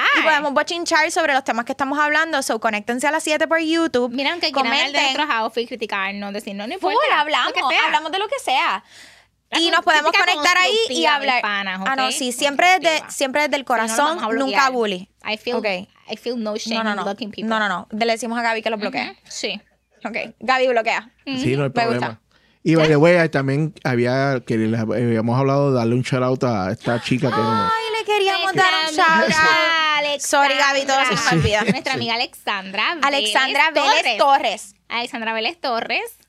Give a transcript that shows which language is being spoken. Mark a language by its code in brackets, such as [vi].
[es] Podemos bochinchar sobre los temas que estamos hablando. So, conéctense a las 7 por YouTube. Miren que quieran hablar de otros outfits, criticarnos, decirnos, no importa. Por, hablamos de lo que sea. Y nos podemos conectar ahí y hablar. Panas, okay? Ah, no, sí, siempre desde el corazón, si no, nunca bully. [en] I feel no shame in blocking people. [es] No. Le decimos a Gaby que lo bloquee. Mm-hmm. Sí. Ok. Gaby bloquea. Mm-hmm. Sí, no hay problema. Y [en] by the way, [es] también habíamos hablado de darle un shout out a esta chica que. Ay, no. Le queríamos dar un shout out. Sorry, Gaby, todo se me olvida. Nuestra amiga Alexandra Vélez. Alexandra Vélez Torres.